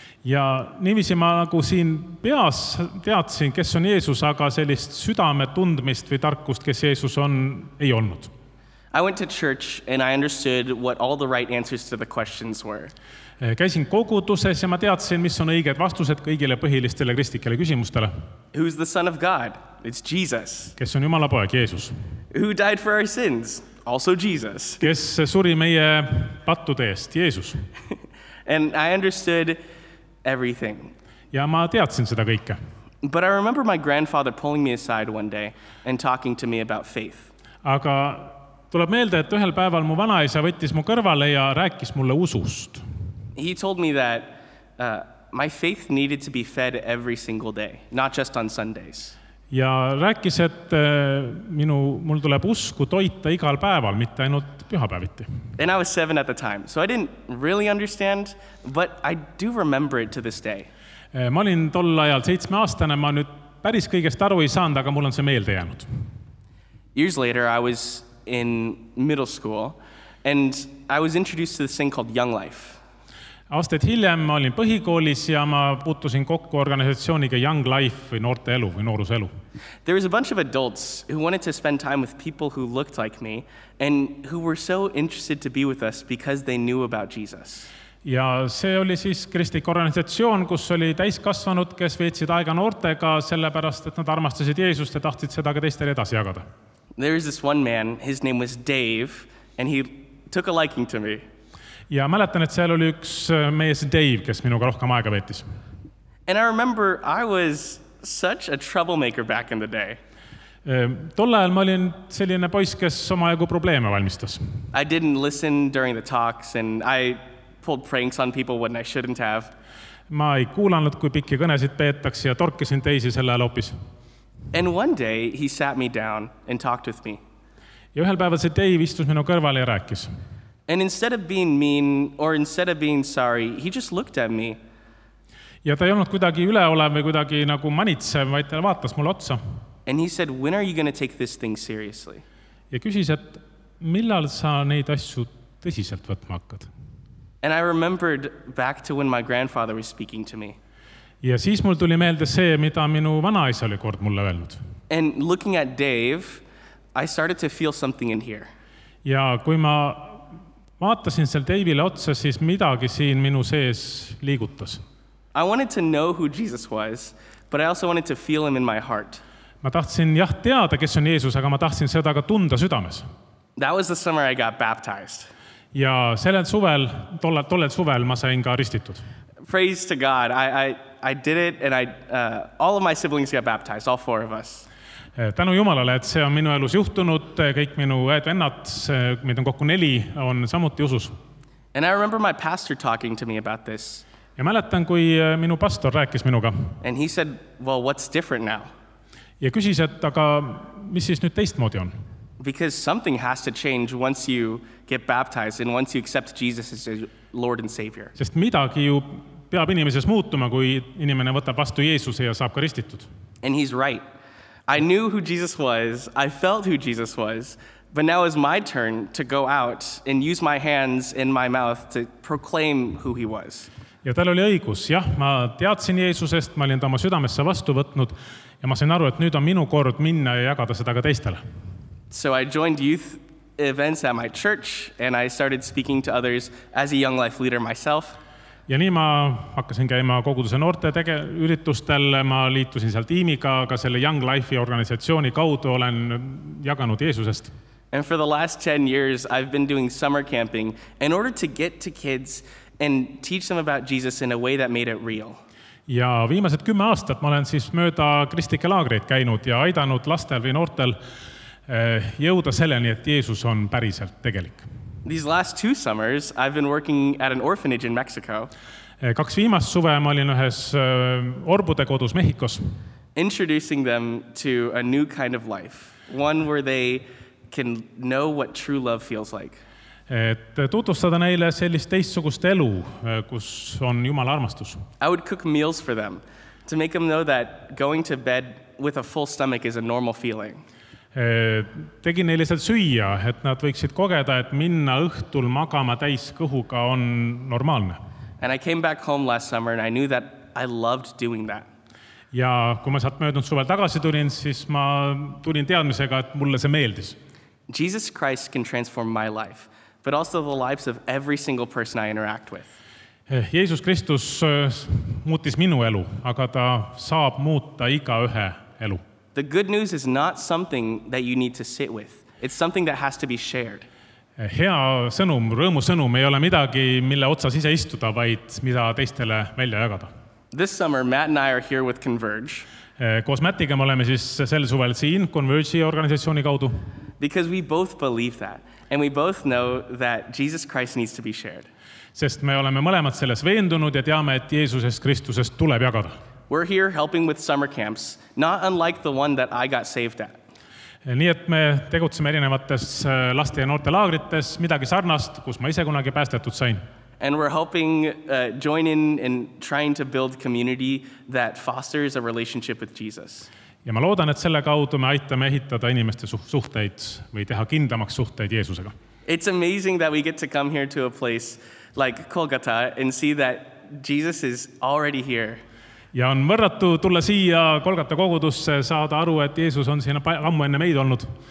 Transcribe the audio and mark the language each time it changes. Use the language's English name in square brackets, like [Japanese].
[Estonian] Ja niiviisi ma nagu siin peas teadsin, kes on Jeesus, aga sellist südame tundmist või tarkust, kes Jeesus on, ei olnud. [English] I went to church and I understood what all the right answers to the questions were. [Estonian] Käisin koguduses ja ma teadsin, mis on õiged vastused kõigile põhilistele kristlikele küsimustele. [English] Who's the son of God? It's Jesus. [Estonian] Kes on Jumala poeg? Jeesus. [English] Who died for our sins? Also Jesus. [Estonian] Kes suri meie pattude eest? Jeesus. [English] And I understood everything. [Estonian] Ja ma teadsin seda kõike. [English] But I remember my grandfather pulling me aside one day and talking to me about faith. [Estonian] Aga tuleb meelde, et ühel päeval mu vanaisa võttis mu kõrvale ja rääkis mulle usust. [English] He told me that my faith needed to be fed every single day, not just on Sundays. [Estonian] Ja rääkis, et mul tuleb usku toita igal päeval, mitte ainult pühapäeviti. [English] And I was 7 at the time, so I didn't really understand, but I do remember it to this day. [Estonian] Ma olin tol ajal 7-aastane, ma nüüd päris kõigest aru ei saanud, aga mul on see meelde jäänud. [English] Years later, I was in middle school, and I was introduced to this thing called Young Life. [Estonian] Aastat hiljem ma olin põhikoolis ja ma puutusin kokku organisatsiooniga Young Life või noorte elu või nooruse elu. [English] There was a bunch of adults who wanted to spend time with people who looked like me and who were so interested to be with us because they knew about Jesus. [Estonian] Ja see oli siis kristlik organisatsioon, kus oli täiskasvanud, kes veetsid aega noortega sellepärast, et nad armastasid Jeesust ja tahtsid seda ka teistele edasi jagada. [English] There is this one man, his name was Dave, and he took a liking to me. [Estonian] Ja mäletan, et seal oli üks mees Dave, kes minuga rohkem aega veetis. [English] And I remember I was such a troublemaker back in the day. [Estonian] Tol ajal ma olin selline poiss, kes oma aegu probleeme valmistas. [English] I didn't listen during the talks and I pulled pranks on people when I shouldn't have. [Estonian] Ma ei kuulanud, kui pikki kõnesid peetaks ja torkisin teisi selle ajal hoopis. [English] And one day he sat me down and talked with me. [Estonian] Ja ühel päeval see Dave istus minu kõrval ja rääkis. [English] And instead of being mean or instead of being sorry, he just looked at me. [Estonian] Ja ta ei olnud kuidagi üleolev või kuidagi nagu manitsev, vaid ta vaatas mul otsa. [English] And he said, "When are you going to take this thing seriously?" [Estonian] Ja küsis, et millal sa neid asju tõsiselt võtma hakkad. [English] And I remembered back to when my grandfather was speaking to me. [Estonian] Ja siis mul tuli meelde see, mida minu vanaisa oli kord mulle öelnud. [English] And looking at Dave, I started to feel something in here. [Estonian] Ja kui ma vaatasin seal Dave'ile otsa, siis midagi siin minu sees liigutas. [English] I wanted to know who Jesus was, but I also wanted to feel him in my heart. [Estonian] Ma tahtsin jah teada, kes on Jeesus, aga ma tahtsin seda ka tunda südames. [English] That was the summer I got baptized. [Estonian] Ja sellel suvel, tollel suvel ma sain ka ristitud. [English] Praise to God. I did it and all of my siblings got baptized, all 4 of us. [Estonian] Tänu Jumalale, et see on minu elus juhtunud, kõik minu õed vennad, mida on kokku 4, on samuti usus. [English] And I remember my pastor talking to me about this. [Estonian] Ja mäletan, kui minu pastor rääkis minuga. [English] And he said, "Well, what's different now?" [Estonian] Ja küsis, et aga mis siis nüüd teistmoodi on? [English] Because something has to change once you get baptized and once you accept Jesus as your Lord and Savior. [Estonian] Sest midagi ju peab inimeses muutuma, kui inimene võtab vastu Jeesuse ja saab ka ristitud. [English] And he's right. I knew who Jesus was, I felt who Jesus was, But now is my turn to go out and use my hands and my mouth to proclaim who he was. [Estonian] Ja tal oli õigus, jah, ma teadsin Jeesusest, ma olin tema südamesse vastu võtnud ja ma sain aru, et nüüd on minu kord minna ja jagada seda ka teistele. [English] So I joined youth events at my church and I started speaking to others as a young life leader myself. [Estonian] Ja nii ma hakkasin käima koguduse noorte üritustel, ma liitusin seal tiimiga, aga selle Young Life organisatsiooni kaudu olen jaganud Jeesusest. [English] And for the last 10 years I've been doing summer camping in order to get to kids and teach them about Jesus in a way that made it real. [Estonian] Ja viimased 10 aastat ma olen siis mööda kristlike laagreid käinud ja aidanud lastel või noortel jõuda selleni, et Jeesus on päriselt tegelik. [English] These last 2 summers I've been working at an orphanage in Mexico. [Estonian] Kaks viimast suve ma olin ühes orbude kodus Mehikos. [English] Introducing them to a new kind of life, one where they can know what true love feels like. [Estonian] Et tutvustada neile sellist teistsugust elu, kus on Jumala armastus. [English] I would cook meals for them to make them know that going to bed with a full stomach is a normal feeling. [Estonian] Tegin neile seal süüa, et nad võiksid kogeda, et minna õhtul magama täis kõhuga on normaalne. [English] And I came back home last summer and I knew that I loved doing that. [Estonian] Ja kui ma saat möödunud suvel tagasi tulin, siis ma tulin teadmisega, et mulle see meeldis. [English] Jesus Christ can transform my life, but also the lives of every single person I interact with. [Estonian] Jeesus Kristus muutis minu elu, aga ta saab muuta iga ühe elu. [English] The good news is not something that you need to sit with. It's something that has to be shared. [Estonian] Hea sõnum, rõõmu sõnum ei ole midagi, mille otsas ise istuda, vaid mida teistele välja jagada. [English] This summer, Matt and I are here with Converge. [Estonian] Koos Mattiga me oleme siis sel suvel siin, Converge'i organisatsiooni kaudu. [English] Because we both believe that, and we both know that Jesus Christ needs to be shared. [Estonian] Sest me oleme mõlemad selles veendunud ja teame, et Jeesusest Kristusest tuleb jagada. [English] We're here helping with summer camps, not unlike the one that I got saved at. [Estonian] Nii et me tegutseme erinevates laste ja noorte laagrites midagi sarnast, kus ma ise kunagi päästetud sain. [English] And we're helping join in and trying to build community that fosters a relationship with Jesus. [Estonian] Ja ma loodan, et selle kaudu me aitame ehitada inimeste suhteid või teha kindlamaks suhteid Jeesusega. [English] It's amazing that we get to come here to a place like Kolkata and see that Jesus is already here. [Estonian] Ja on võrratu tulla siia Kolkata kogudusse, saada aru, et Jeesus on siin ammu enne meid olnud.